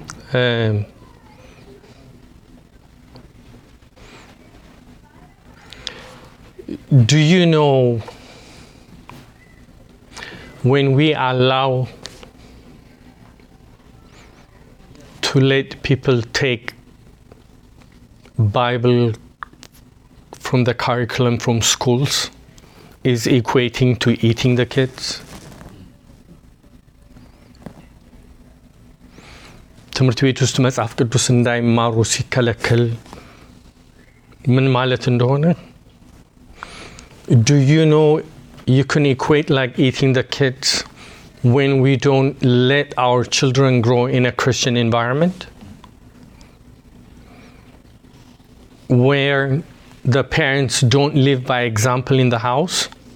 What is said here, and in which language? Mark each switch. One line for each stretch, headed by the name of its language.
English: Do you know when we allow to let people take Bible from the curriculum from schools is equating to eating the kids?
Amharic: ትምርት ቤት ውስጥ መጽሐፍ ቅዱስ እንዳይማሩ ሲከለከል ምን ማለት እንደሆነ?
English: Do you know you can equate like eating the kids when we don't let our children grow in a Christian environment? Where the parents don't live by example in the house?